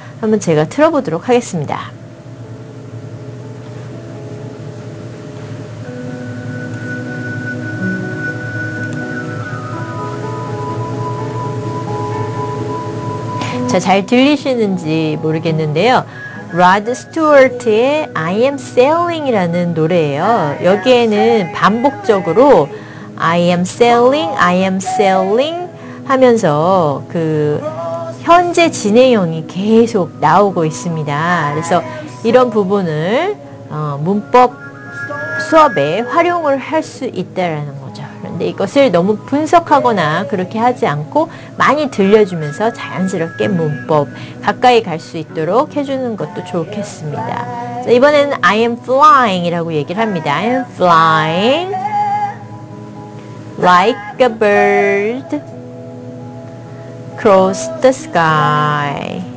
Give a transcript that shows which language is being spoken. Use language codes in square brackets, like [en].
[ko] 한번 제가 틀어보도록 하겠습니다. 자, 잘 들리시는지 모르겠는데요. Rod Stewart의 I am sailing 이라는 노래예요. 여기에는 반복적으로 [en] I am sailing, I am sailing [ko] 하면서 그 현재 진행형이 계속 나오고 있습니다. 그래서 이런 부분을 문법 수업에 활용을 할 수 있다라는 거죠. 그런데 이것을 너무 분석하거나 그렇게 하지 않고 많이 들려주면서 자연스럽게 문법 가까이 갈 수 있도록 해주는 것도 좋겠습니다. 자, 이번에는 [en] I am flying [ko] 이라고 얘기를 합니다. [en] I am flying like a bird Cross the sky.